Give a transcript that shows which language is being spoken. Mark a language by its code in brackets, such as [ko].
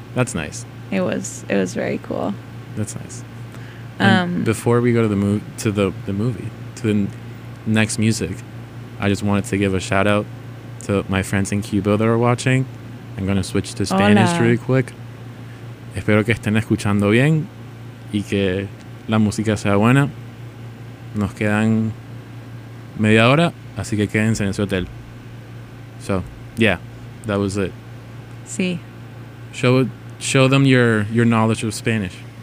[en] That's nice. It was very cool. That's nice. And before we go to the movie, to the next music, I just wanted to give a shout out to my friends in Cuba that are watching. I'm going to switch to Spanish really quick. [es] Espero que estén escuchando bien y que la música sea buena. Nos quedan media hora, así que quédense en su hotel. [en] So, yeah, that was it. [es] Sí. [en] Show them your knowledge of Spanish.